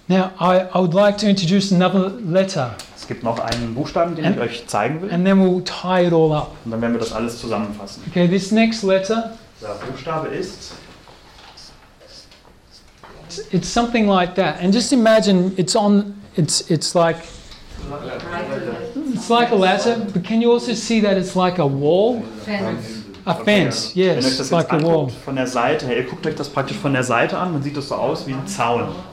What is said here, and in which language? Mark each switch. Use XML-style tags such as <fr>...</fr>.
<en>Now, I would like to introduce another letter.</en> <de>Es gibt noch einen Buchstaben, den ich euch zeigen will.</de> <en>And then we'll tie it all up.</en> <de>Und dann werden wir das alles zusammenfassen.</de> <en>Okay, this next letter.</en> <de>Der Buchstabe ist.</de> <en>It's something like that. And just imagine, it's like. It's like a ladder, but can you also see that it's like a wall? A fence. Okay. Yes, like a wall.</en> <de>Von der Seite her. Ihr guckt euch das praktisch von der Seite an. Man sieht das so aus wie ein Zaun.</de>